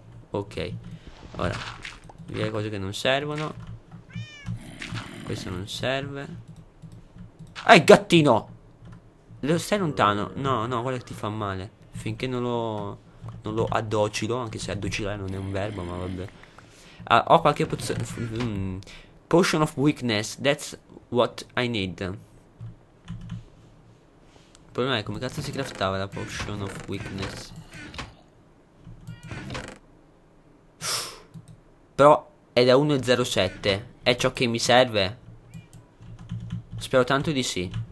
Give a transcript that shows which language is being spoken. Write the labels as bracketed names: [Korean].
[Italian] Ok. Ora, via le cose che non servono. Questo non serve. Ehi, gattino! Lo stai lontano? No, no, guarda che ti fa male. Finché non lo addocilo, anche se addocilare non è un verbo, ma vabbè. Ho qualche potion of weakness, [English] that's what I need. [Italian] problema è come cazzo si craftava la potion of weakness. Però è da 1,07. È ciò che mi serve. Spero tanto di sì.